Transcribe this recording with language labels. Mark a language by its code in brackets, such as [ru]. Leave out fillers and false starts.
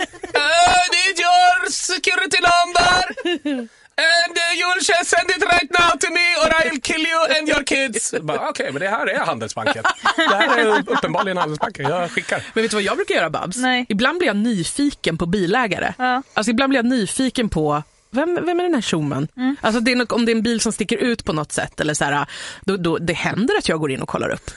[en] Det är your security number! And you'll just send it right now to me or I'll kill you and your kids. [sv] Okej, men det här är Handelsbanken. Det här är uppenbarligen Handelsbanken. Jag skickar. Men vet du vad jag brukar göra, Babs? Nej. Ibland blir jag nyfiken på bilägare. Ja. Alltså ibland blir jag nyfiken på vem är den här tjomen? Mm. Alltså det är om det är en bil som sticker ut på något sätt eller så här, då det händer att jag går in och kollar upp.